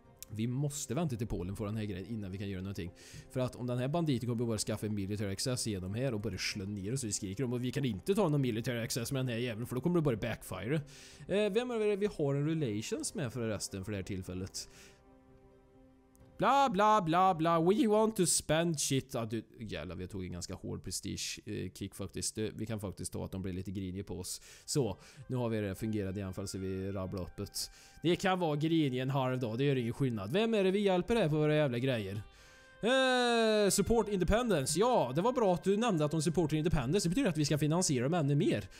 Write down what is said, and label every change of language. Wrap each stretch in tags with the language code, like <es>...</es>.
<sv>Vi måste vänta till Polen för den här grejen innan vi kan göra någonting. För att om den här banditen kommer bara skaffa en military access genom här och bara slå ner oss, så vi skriker om, och vi kan inte ta någon military access med den här jäveln, för då kommer det bara backfire. Vem är det vi har en relations med förresten för det här tillfället?</sv> <en>Bla bla bla bla, we want to spend shit.</en> <sv>Ah, du, jävlar, vi tog en ganska hård prestige kick faktiskt. Vi kan faktiskt ta att de blir lite griniga på oss. Så, nu har vi det fungerande igen, fast vi rabblar upp det. Det kan vara grinig en halv dag, det gör ingen skillnad. Vem är det vi hjälper här på våra jävla grejer?</sv> <en>Support independence.</en> <sv>Ja, det var bra att du nämnde att de supportar independence. Det betyder att vi ska finansiera dem ännu mer.</sv>